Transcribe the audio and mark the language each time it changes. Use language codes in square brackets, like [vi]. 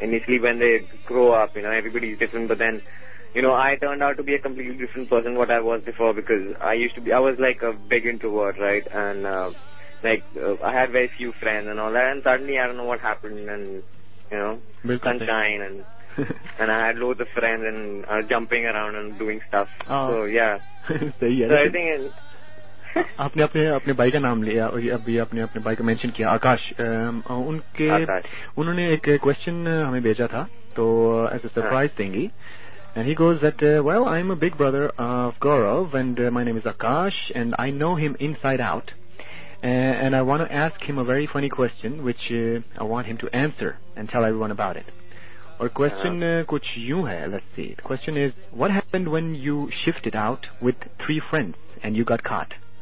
[en] Initially when they grow up, you know, everybody is different. But then, you know, I turned out to be a completely different person what I was before, because I was like a big introvert, right? And I had very few friends and all that. And suddenly I don't know what happened, and you know, [hi] Bilkul [en] sunshine thing. And I had loads of friends and jumping around and doing stuff. Oh. So yeah. [hi] Sahi hai. [en] So I think it's, [hi] आपने अपने अपने भाई का नाम लिया और अभी आपने अपने भाई का मेंशन किया आकाश. उनके उन्होंने एक क्वेश्चन हमें भेजा था तो एज अ सरप्राइज देंगी. [en] And he goes that, well, I'm a big brother of Gaurav and my name is Akash and I know him inside out. And I want to ask him a very funny question which I want him to answer and tell everyone about it. Or [hi] question kuch yun hai, [en] let's see. The question is, what happened when you shifted out with three friends and you got caught?